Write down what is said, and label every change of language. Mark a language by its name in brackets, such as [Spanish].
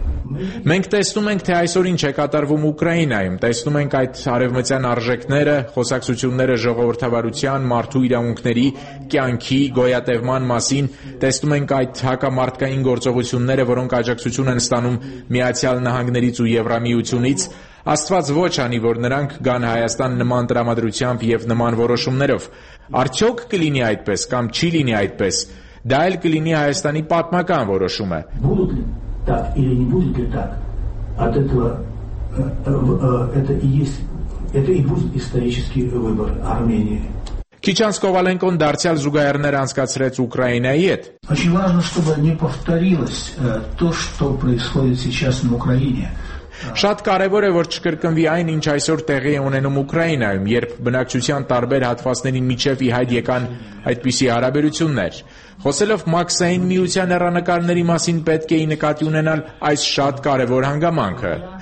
[Armenian] Մենք տեսնում ենք, թե այսօր ինչ է կատարվում Ուկրաինայում, տեսնում ենք այդ արևմտյան արժեքները, խոսակցությունները ժողովրդավարության, մարդու իրավունքների, կյանքի, գոյատևման մասին, տեսնում ենք այդ հակամարտկային գործողությունները, որոնք աջակցություն են ստանում Միացյալ Նահանգներից ու Եվրամիությունից, Աստված ոչ անի, որ նրանք գան Հայաստան նման տրամադրությամբ և նման որոշումներով։ Արդյոք կլինի այդպես կամ չի լինի այդպես, դա էլ կլինի Հայաստանի պատմական որոշումը։ [Russian] Так или не будет ли так, от этого это и есть, это и будет исторический выбор Армении. [Armenian] Քիչանս Կովալենկոն դարձյալ զուգահեռներ անցկացրեց Ուկրաինայի հետ։ [Russian] Очень важно, чтобы не повторилось то, что происходит сейчас в Украине. [Armenian] Շատ կարևոր է, որ չկրկնվի այն, ինչ այսօր տեղի է ունենում Ուկրաինայում, երբ բնակչության տարբեր հատվածների միջև ի հայտ եկան այդպիսի հարաբերություններ։ Խոսելով Մաքսային միության հեռանկարների մասին, պետք է նկատի ունենալ այս շատ կարևոր հանգամանքը։